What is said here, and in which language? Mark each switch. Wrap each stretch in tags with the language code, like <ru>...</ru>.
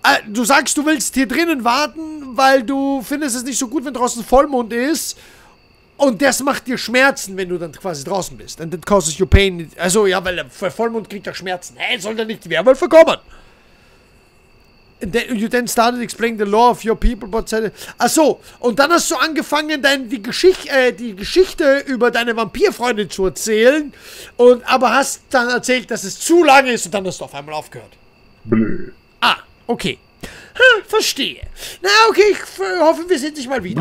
<de>Du sagst, du willst hier drinnen warten, weil du findest es nicht so gut, wenn draußen Vollmond ist. Und das macht dir Schmerzen, wenn du dann quasi draußen bist.</de> <en>And it causes you pain.</en> <de>Also, ja, weil der Vollmond kriegt ja Schmerzen. Hey, soll der nicht die Werwölfe kommen?</de> <en>You then started explaining the law of your people, but said.</en> <de>Achso, und dann hast du angefangen, die Geschichte über deine Vampirfreunde zu erzählen. Und aber hast dann erzählt, dass es zu lange ist und dann hast du auf einmal aufgehört. Blö. Ah, okay. Ha, verstehe. Na, okay, ich hoffe, wir sehen dich mal wieder.</de>